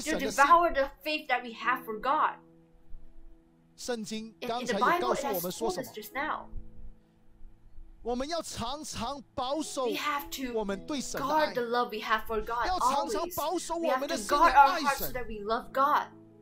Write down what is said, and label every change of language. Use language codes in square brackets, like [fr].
[en] they'll devour the faith that we have for God. [zh] 圣经刚才也告诉我们说什么？ [en] In the Bible, it has told us just now. [zh] 我们要常常保守我们对神的爱， [en] we have to guard the love we have for God. [zh] 要常常保守我们的心里爱神。 [en] We have to guard our hearts so that we love God.